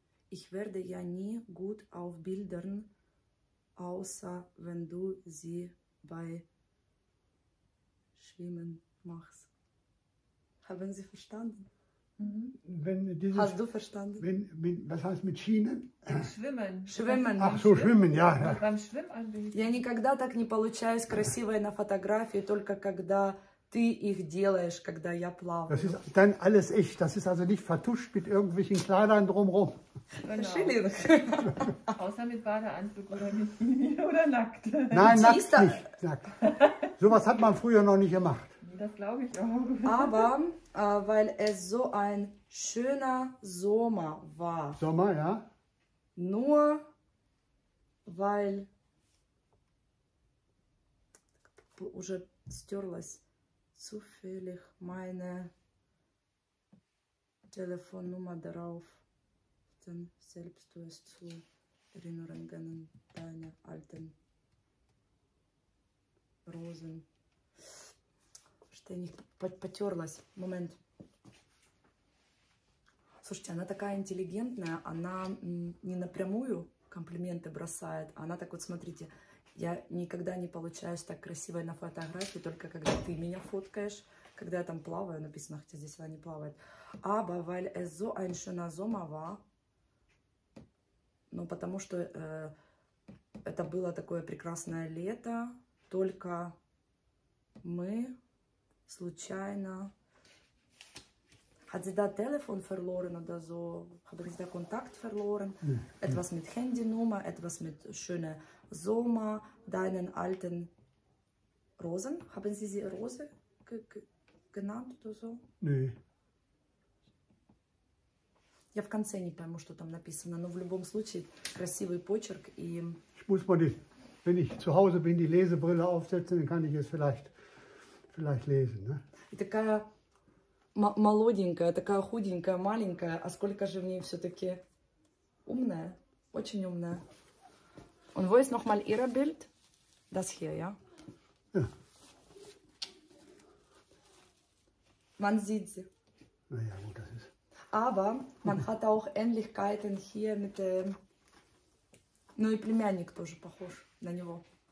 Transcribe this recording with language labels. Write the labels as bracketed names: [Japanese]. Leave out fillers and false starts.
[German] Ich werde ja nie gut auf Bildern, außer wenn du sie bei Schwimmen machst. Haben Sie verstanden? Mhm. Wenn dieses, hast du verstanden? Wenn, was heißt mit Schienen? Schwimmen. Schwimmen. Ach so, schwimmen, ja. Beim Schwimmanlegen. [Russian] Я никогда так не получаюсь красивой на фотографии, только когда ты их делаешь, когда я плаваю. [German] Das ist dann alles ich. Das ist also nicht vertuscht mit irgendwelchen Kleidern drumherum. Genau. Außer mit Badeanzug oder mit Bikini oder nackt. Nein, nackt nicht. Nackt. Sowas hat man früher noch nicht gemacht. Das glaube ich auch. Aber weil es so ein schöner Sommer war. Sommer, ja. Nur weil [Russian] уже стерлась. [German] Zufällig meine Telefonnummer darauf, dann selbst du es zu erinnern an deine alten Rosen. Ständig [Russian] потерлась. [German] Moment. [Russian] Слушайте, она такая интеллигентная, она не напрямую комплименты бросает, она так вот, смотрите. Я никогда не получаюсь так красивой на фотографии, только когда ты меня фоткаешь, когда я там плаваю, написано, хотя здесь она не плавает. [German] Aber weil es so ein schöner Sommer war, [Russian] ну, потому что это было такое прекрасное лето, только мы случайно... [German] Hat sie da Telefon verloren oder so? Haben sie da Kontakt verloren? Nee. Etwas mit Handynummer, etwas mit schöner Sommer, deinen alten Rosen? Haben sie sie Rose genannt oder so? Nee. [Russian] Я в конце не пойму, что там написано, но в любом случае красивый почерк и... [German] Ich muss mal, wenn ich zu Hause bin, die Lesebrille aufsetzen, dann kann ich es vielleicht lesen. Ne? [Russian] И такая... Молоденькая, такая худенькая, маленькая, а сколько же в ней все-таки умная, очень умная. [German] Und wo ist nochmal ihr Bild? Das hier, ja? Ja. Man sieht sie. Naja, gut, das ist... Aber man hat auch Ähnlichkeiten hier mit dem... [Russian] Ну и племянник тоже похож на него.